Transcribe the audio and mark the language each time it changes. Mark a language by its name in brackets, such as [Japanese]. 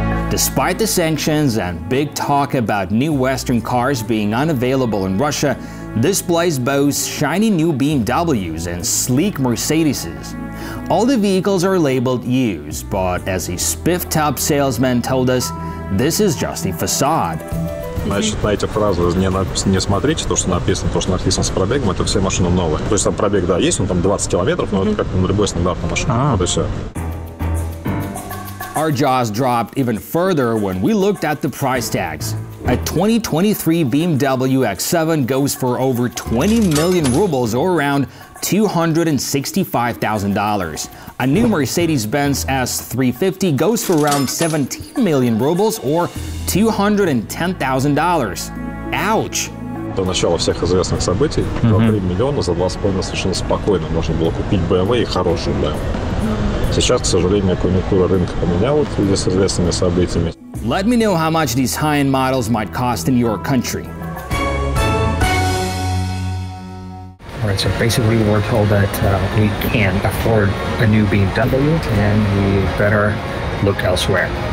[English] Despite the sanctions and big talk about new Western cars being unavailable in Russia, this place boasts shiny new BMWs and sleek Mercedeses. All the vehicles are labeled used, but as a spiffed-up salesman told us, this is just a facade. [Russian] Значит, на эти фразы не смотрите, то, что написано с пробегом, это все машины новые. То есть там пробег, да, есть, он там 20 километров, но это как на любой стандартной машине. Вот и все. [English] Our jaws dropped even further when we looked at the price tags. A 2023 BMW X7 goes for over 20 million rubles, or around $265,000. A new Mercedes-Benz S350 goes for around 17 million rubles, or $210,000. Ouch! [Russian] До начала всех известных событий, 2-3 миллиона за 2,5 совершенно спокойно можно было купить BMW и хорошую BMW. Сейчас, к сожалению, конъюнктура рынка поменялась в связи с известными событиями. [English] Let me know how much these high-end models might cost in your country. All right, so basically we're told that we can't afford a new BMW and we better look elsewhere.